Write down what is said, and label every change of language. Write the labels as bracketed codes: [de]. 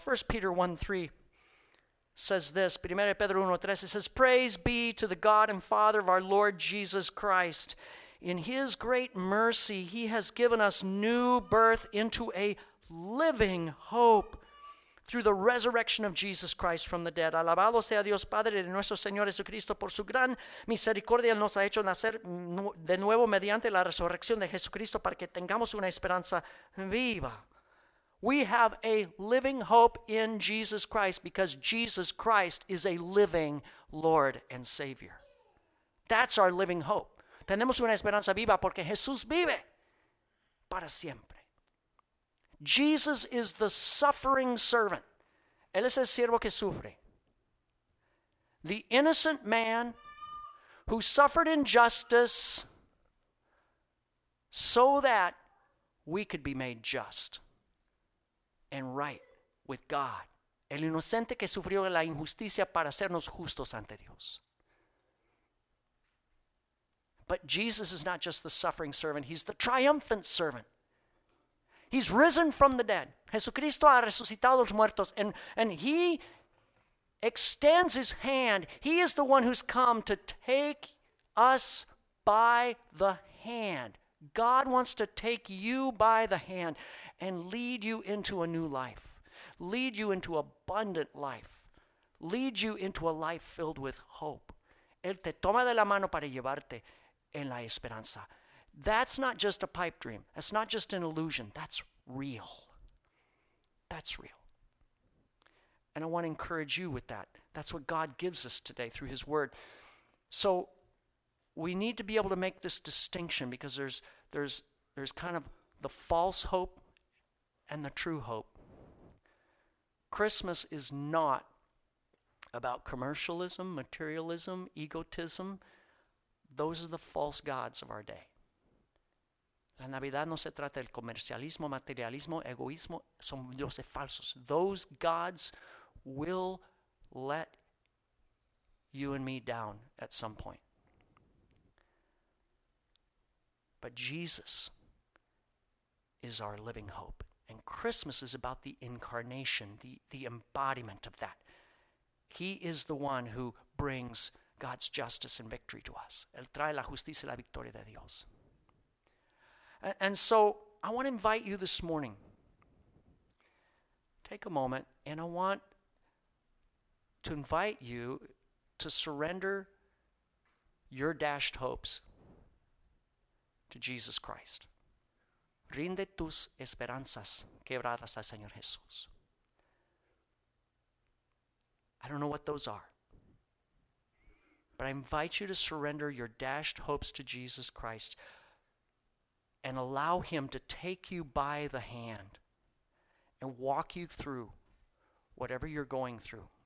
[en] 1 Peter 1:3. Says this, 1 Pedro 1:3, it says, praise be to the God and Father of our Lord Jesus Christ. In his great mercy, he has given us new birth into a living hope through the resurrection of Jesus Christ from the dead. [es] Alabado sea Dios Padre de nuestro Señor Jesucristo por su gran misericordia. Nos ha hecho nacer de nuevo mediante la resurrección de Jesucristo para que tengamos una esperanza viva. [en] We have a living hope in Jesus Christ because Jesus Christ is a living Lord and Savior. That's our living hope. [es] Tenemos una esperanza viva porque Jesús vive para siempre. [en] Jesus is the suffering servant. [es] Él es el siervo que sufre. [en] The innocent man who suffered injustice so that we could be made just and right with God. [es] El inocente que sufrió la injusticia para hacernos justos ante Dios. [en] But Jesus is not just the suffering servant. He's the triumphant servant. He's risen from the dead. [es] Jesucristo ha resucitado los muertos. [en] And he extends his hand. He is the one who's come to take us by the hand. God wants to take you by the hand and lead you into a new life, lead you into abundant life, lead you into a life filled with hope. [es] Él te toma de la mano para llevarte en la esperanza. [en] That's not just a pipe dream. That's not just an illusion. That's real. That's real. And I want to encourage you with that. That's what God gives us today through his word. So we need to be able to make this distinction, because there's kind of the false hope and the true hope. Christmas is not about commercialism, materialism, egotism. Those are the false gods of our day. [es] La Navidad no se trata del comercialismo, materialismo, egoísmo. Son dioses falsos. [en] Those gods will let you and me down at some point. But Jesus is our living hope. And Christmas is about the incarnation, the embodiment of that. He is the one who brings God's justice and victory to us. [es] Él trae la justicia y la victoria de Dios. [en] And so I want to invite you this morning. Take a moment, and I want to invite you to surrender your dashed hopes to Jesus Christ. [es] Rinde tus esperanzas quebradas al Señor Jesús. [en] I don't know what those are, but I invite you to surrender your dashed hopes to Jesus Christ and allow him to take you by the hand and walk you through whatever you're going through.